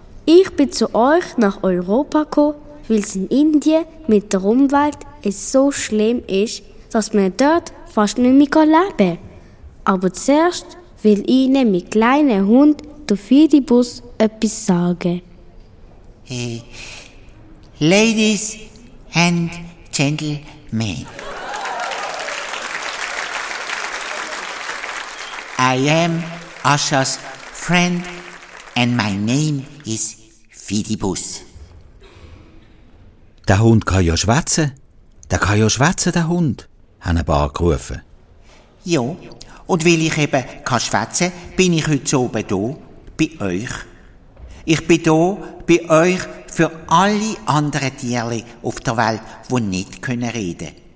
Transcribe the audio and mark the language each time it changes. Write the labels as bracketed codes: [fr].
[de] Ich bin zu euch nach Europa gekommen, weil es in Indien mit der Umwelt so schlimm ist, dass man dort fast nicht mehr leben kann. Aber zuerst will ich Ihnen mit kleinen Hund der Fidibus etwas sagen. [en] Ladies and Gentlemen, I am Ascha's friend and my name is Fidibus. [de] Der Hund kann ja schwätzen. Der Hund kann ja schwätzen, haben ein paar gerufen. Ja, und weil ich eben kann schwätzen, bin ich heute oben da, bei euch. Ich bin da bei euch für alle anderen Tiere auf der Welt, die nicht reden können.